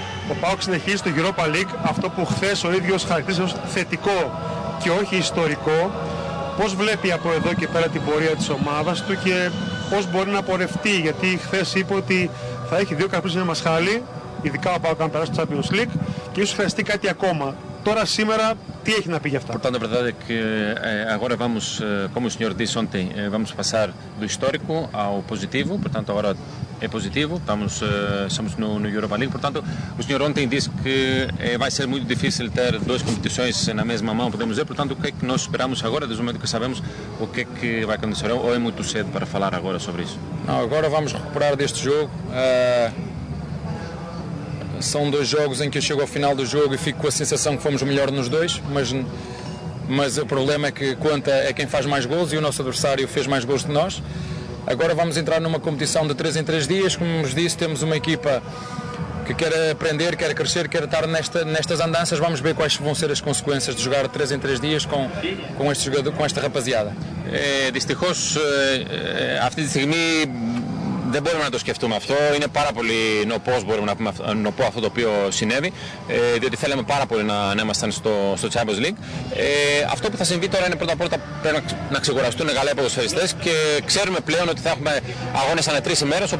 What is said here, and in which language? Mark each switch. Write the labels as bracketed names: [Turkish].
[Greek] Ο ΠΑΟΚ συνεχίζει στο Europa League, αυτό που χθες ο ίδιος χαρακτήρισε ως θετικό και όχι ιστορικό. Πώς βλέπει από εδώ και πέρα την πορεία της ομάδας του και πώς μπορεί να πορευτεί, γιατί χθες είπε ότι θα έχει δύο καρπούς με μασχάλη, ειδικά ο ΠΑΟΚ αν περάσει το Champions League, και ίσως χρειαστεί κάτι ακόμα. Τώρα σήμερα τι έχει να πει γι' αυτά? [Portuguese] Portanto, a verdade é que agora vamos, como o senhor disse ontem, vamos passar do histórico ao positivo. Portanto, agora é positivo, estamos no Europa League. Portanto, o senhor ontem disse que vai ser muito difícil ter duas competições na mesma mão, podemos dizer. Portanto, o que é que nós esperamos agora, desde o momento que sabemos o que é que vai acontecer? Ou é muito cedo para falar agora sobre isso? Não, agora vamos recuperar deste jogo. São dois jogos em que eu chego ao final do jogo e fico com a sensação que fomos melhor nos dois, mas o problema é que conta é quem faz mais gols e o nosso adversário fez mais gols que nós. Agora vamos entrar numa competição de 3 em 3 dias, como vos disse, temos uma equipa que quer aprender, quer crescer, quer estar nestas andanças. Vamos ver quais vão ser as consequências de jogar 3 em 3 dias com este jogador, com esta rapaziada. Distingue-se, a partir de seguir-me... [Greek] Δεν μπορούμε να το σκεφτούμε αυτό. Είναι πάρα πολύ νοπός, μπορούμε να πούμε, νοπό αυτό το οποίο συνέβη. Διότι θέλαμε πάρα πολύ να ήμασταν στο Champions League. Αυτό που θα συμβεί τώρα είναι πρώτα απ' όλα πρέπει να ξεκουραστούν οι καλά ποδοσφαιριστές και ξέρουμε πλέον ότι θα έχουμε αγώνες ανά τρεις ημέρες.